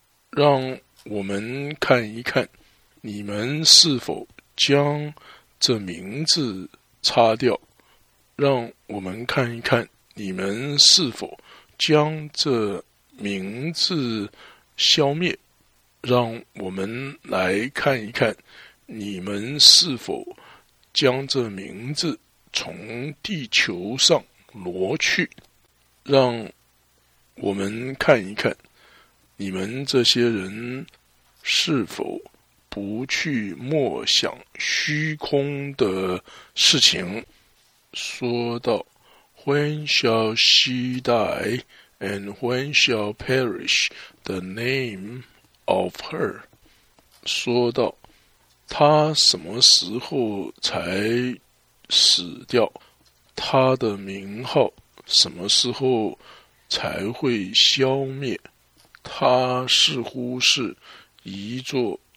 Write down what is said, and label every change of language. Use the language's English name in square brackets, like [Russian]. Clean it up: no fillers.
[Chinese] 让我们看一看，你们是否将这名字擦掉，让我们看一看，你们是否将这名字消灭，让我们来看一看，你们是否将这名字从地球上挪去，让我们看一看，你们这些人是否不去默想虚空的事情。说到 [English] When shall she die and when shall perish the name of her? [Chinese] 说到她什么时候才死掉，她的名号什么时候才会消灭。她似乎是一座